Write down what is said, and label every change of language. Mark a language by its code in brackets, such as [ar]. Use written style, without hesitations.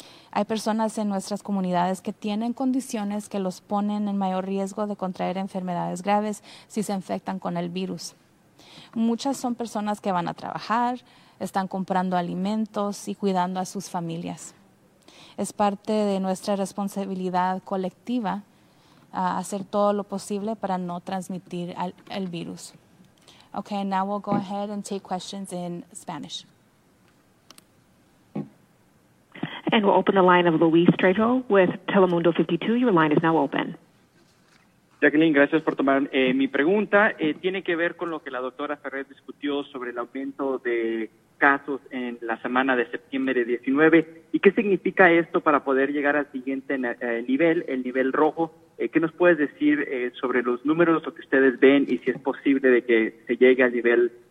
[es] Hay personas en nuestras comunidades que tienen condiciones que los ponen en mayor riesgo de contraer enfermedades graves si se infectan con el virus. Muchas son personas que van a trabajar, están comprando alimentos y cuidando a sus familias. Es parte de nuestra responsabilidad colectiva hacer todo lo posible para no transmitir el virus. [en] Okay, now we'll go ahead and take questions in Spanish. And we'll open the line of Luis Trejo with Telemundo 52. Your line is now open. [es] Jacqueline, gracias por tomar mi pregunta. Tiene que ver con lo que la doctora Ferrer discutió sobre el aumento de casos en la semana de septiembre 19. ¿Y qué significa esto para poder llegar al siguiente nivel, el nivel rojo? ¿Qué nos puedes decir sobre los números, lo que ustedes ven y si es posible de que se llegue al nivel